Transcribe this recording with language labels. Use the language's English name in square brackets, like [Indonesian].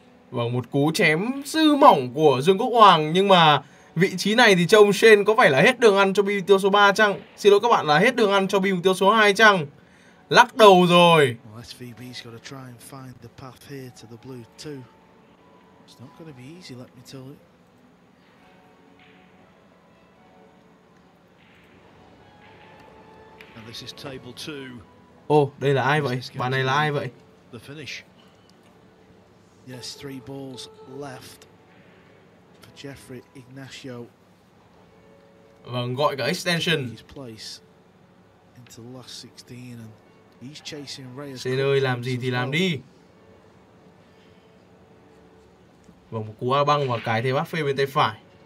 [Vietnamese] Vâng, một cú chém dư mỏng của Dương Quốc Hoàng, nhưng mà vị trí này thì trông Shane có phải là hết đường ăn cho bi mục tiêu số 3 chăng? Xin lỗi các bạn, là hết đường ăn cho bi mục tiêu số 2 chăng? Lắc đầu rồi. [English] SVB's got to try and find the path here to the blue two. It's not going to be easy, let me tell you. And this is table two. [Vietnamese] Oh, đây là ai vậy? Bàn này là ai vậy? [English] The finish. Yes, three balls left for Jeffrey Ignacio. [Vietnamese] Vâng, gọi cả extension. [English] His place into the last 16 and he's chasing Reyes. [Vietnamese] Xin ơi, làm gì thì làm đi. Vâng, một cú A băng và cái thế bắt phê bên tay phải.